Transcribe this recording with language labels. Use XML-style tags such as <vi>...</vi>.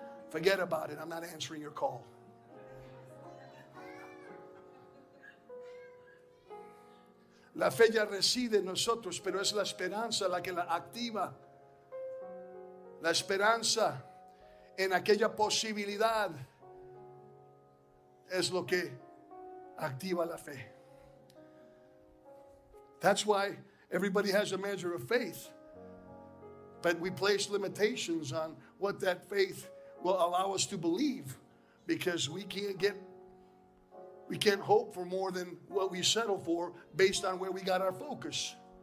<en>Forget about it. I'm not answering your call.</en> <es>La fe ya reside en nosotros, pero es la esperanza la que la activa. La esperanza en aquella posibilidad es lo que activa la fe.</es> <en>That's why everybody has a measure of faith. But we place limitations on what that faith will allow us to believe, because we can't hope for more than what we settle for based on where we got our focus.</en>